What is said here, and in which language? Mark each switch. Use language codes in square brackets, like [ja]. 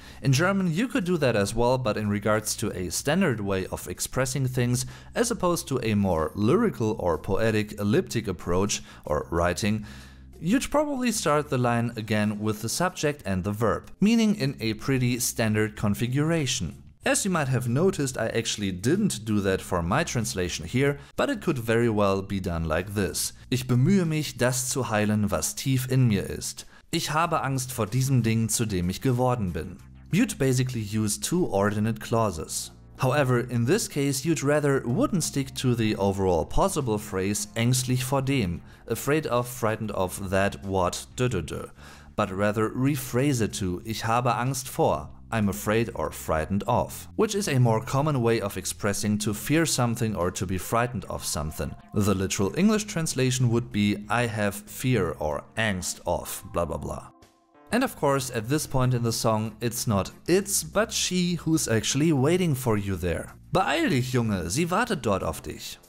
[en] In German, you could do that as well, but in regards to a standard way of expressing things, as opposed to a more lyrical or poetic elliptic approach or writing, you'd probably start the line again with the subject and the verb, meaning in a pretty standard configuration. As you might have noticed, I actually didn't do that for my translation here, but it could very well be done like this. [de] Ich bemühe mich, das zu heilen, was tief in mir ist. Ich habe Angst vor diesem Ding, zu dem ich geworden bin. [en] You'd basically use two ordinate clauses. However, in this case, you'd rather wouldn't stick to the overall possible phrase [de] ängstlich vor dem, [en] afraid of, frightened of, that, what, but rather rephrase it to [de] ich habe Angst vor, [en] I'm afraid or frightened of, which is a more common way of expressing to fear something or to be frightened of something. The literal English translation would be I have fear or angst of blah blah blah. And of course, at this point in the song, it's not it's, but she who's actually waiting for you there. [de] Beeil dich, Junge, sie wartet dort auf dich.